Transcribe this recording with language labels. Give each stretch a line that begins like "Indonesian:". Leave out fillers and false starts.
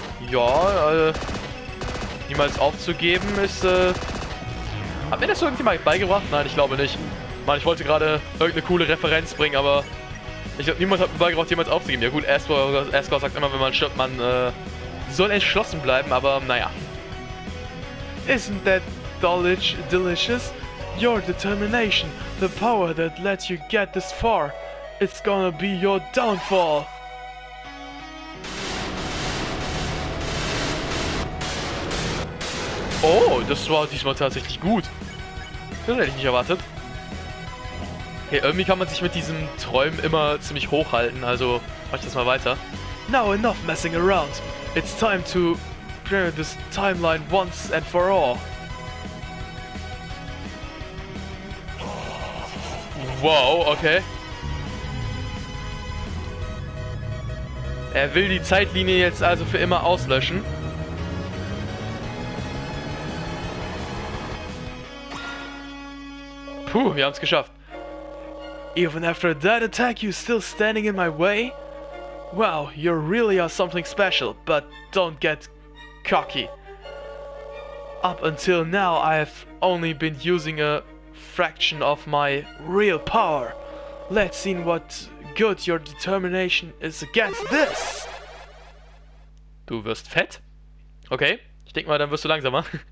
German: Ja, niemals aufzugeben ist, hat mir das irgendjemand beigebracht? Nein, ich glaube nicht. Mann, ich wollte gerade irgendeine coole Referenz bringen, aber ich glaube, niemand hat mir beigebracht, jemals aufzugeben. Ja gut, Asgore sagt immer, wenn man stirbt, man soll entschlossen bleiben, aber naja.
English: Isn't that knowledge delicious? Your determination, the power that lets you get this far, it's gonna be your downfall.
German: Oh, das war diesmal tatsächlich gut. Das hätte ich nicht erwartet. Hey, irgendwie kann man sich mit diesen Träumen immer ziemlich hochhalten, also mach ich das mal weiter.
English: Now enough messing around. It's time to clear this timeline once and for all. Wow, okay.
German: Er will die Zeitlinie jetzt also für immer auslöschen. Puh, wir haben es geschafft.
English: Even after that attack, you're still standing in my way? Wow, you really are something special, but don't get cocky. Up until now, I've only been using a fraction of my real power. Let's see what good your determination is against this.
German: Du wirst fett? Okay, ich denke mal, dann wirst du langsamer.